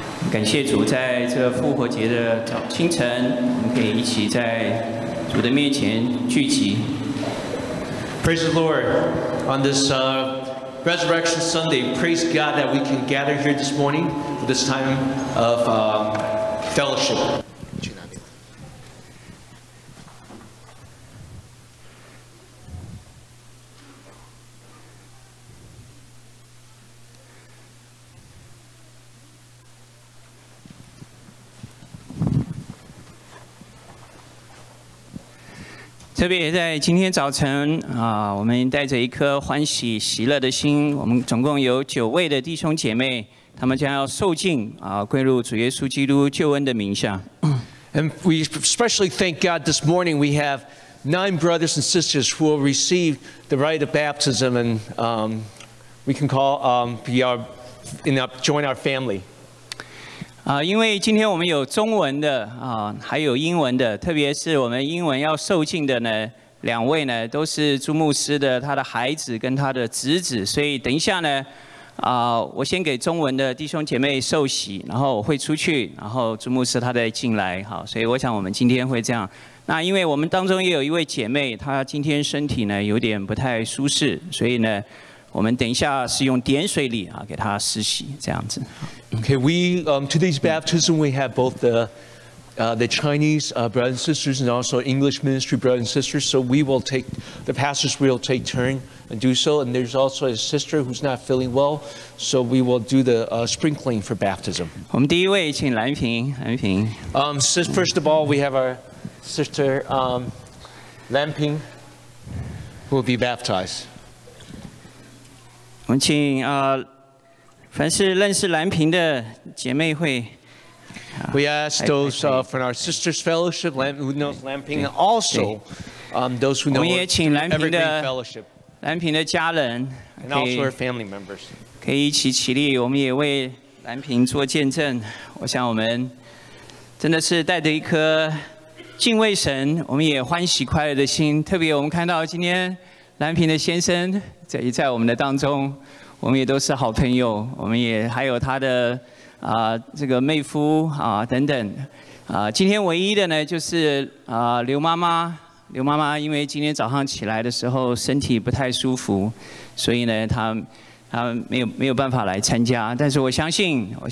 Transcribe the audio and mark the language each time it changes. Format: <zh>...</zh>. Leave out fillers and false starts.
<zh>感谢主，在这复活节的早清晨，我们可以一起在主的面前聚集。</zh> <en>Praise the Lord on this Resurrection Sunday. Praise God that we can gather here this morning for this time of fellowship.</en> <zh>特别在今天早晨我们带着一颗欢喜喜乐的心，我们总共有九位的弟兄姐妹，他们将要受浸归入主耶稣基督救恩的名下。</zh> <en>And we especially thank God this morning we have nine brothers and sisters who will receive the rite of baptism and we can call be our in our join our family.</en> <zh>因为今天我们有中文的还有英文的，特别是我们英文要受浸的呢，两位呢都是朱牧师的他的孩子跟他的侄子，所以等一下呢我先给中文的弟兄姐妹受洗，然后我会出去，然后朱牧师他再进来。好，所以我想我们今天会这样。那因为我们当中也有一位姐妹，她今天身体呢有点不太舒适，所以呢我们等一下是用点水礼给他施洗，这样子。</zh> <en>Okay, we to these baptism we have both the Chinese brothers and sisters and also English ministry brothers and sisters. So we will take the pastors will take turn and do so. And there's also a sister who's not feeling well, so we will do the sprinkling for baptism.</en> <zh>我们第一位请蓝萍，蓝萍。</zh> <en>First of all, we have our sister Lan Ping, who will be baptized.</en> <zh>我们请凡是认识蓝萍的姐妹会。</zh> <en>We ask those from our sisters' fellowship who knows Lamping, and also those who know Evergreen Fellowship.</en> <zh>蓝萍的家人</zh> <en>and also her family members.</en> <zh>可以一起起立，我们也为蓝萍做见证。我想我们真的是带着一颗敬畏神，我们也欢喜快乐的心。特别我们看到今天蓝萍的先生。在我们的当中，我们也都是好朋友，我们也还有他的这个妹夫等等今天唯一的呢就是刘妈妈因为今天早上起来的时候身体不太舒服，所以呢他没有办法来参加，但是我相信</zh>